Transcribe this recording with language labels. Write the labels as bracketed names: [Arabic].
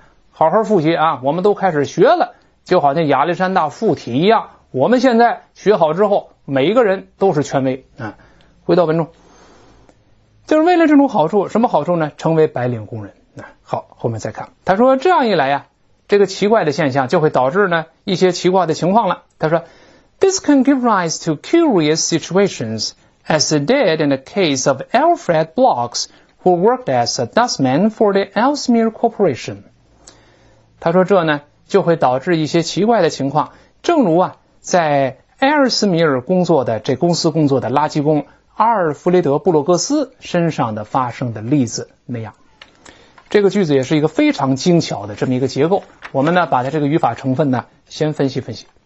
[Chinese] 好好复习啊，我们都开始学了，就好像亚历山大附体一样，我们现在学好之后每一个人都是权威。回到文中，就是为了这种好处，什么好处呢？成为白领工人。好，后面再看。他说这样一来啊，这个奇怪的现象就会导致呢一些奇怪的情况了。他说 [English] This can give rise to curious situations as it did in the case of Alfred Blocks who worked as a dustman for the Ellesmere Corporation。 [Chinese] 他说这呢就会导致一些奇怪的情况，正如啊在埃尔斯米尔工作的这公司工作的垃圾工阿尔弗雷德布洛格斯身上的发生的例子那样。这个句子也是一个非常精巧的这么一个结构，我们呢把它这个语法成分呢先分析分析。